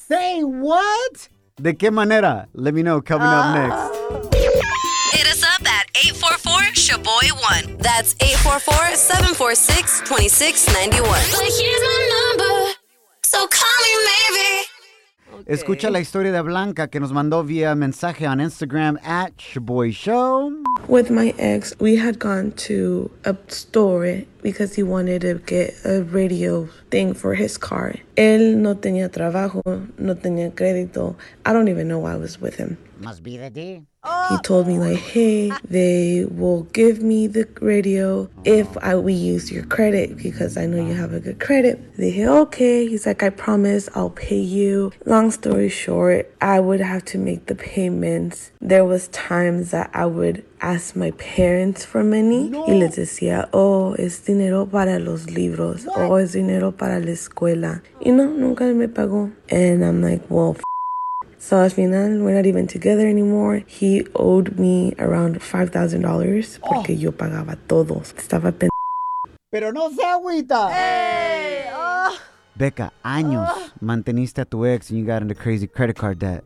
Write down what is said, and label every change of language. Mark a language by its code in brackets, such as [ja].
[en] Say what? [es] De qué manera? [en] Let me know coming up next. Hit us up at 844-SHABOY1. That's 844-746-2691. But here's my number, so call me maybe. Okay. [es] Escucha la historia de Blanca que nos mandó vía mensaje [en] on Instagram [es] at Shoboy Show. [en] With my ex, we had gone to a store because he wanted to get a radio thing for his car. [es] Él no tenía trabajo, no tenía crédito. [en] I don't even know why I was with him. Must be the D. He told me, like, hey, they will give me the radio if we use your credit because I know you have a good credit. They said, okay. He's like, I promise I'll pay you. Long story short, I would have to make the payments. There was times that I would ask my parents for money. No. [es] Y les decía, oh, es dinero para los libros. [en] What? [es] Oh, es dinero para la escuela. Y no, nunca me pagó. [en] And I'm like, well, [es] so al final, [en] we're not even together anymore. He owed me around $5,000 [es] porque yo pagaba todo. Estaba Pero no se agüita. [en] Hey! Becca, [es] años manteniste a tu ex [en] and you got into crazy credit card debt.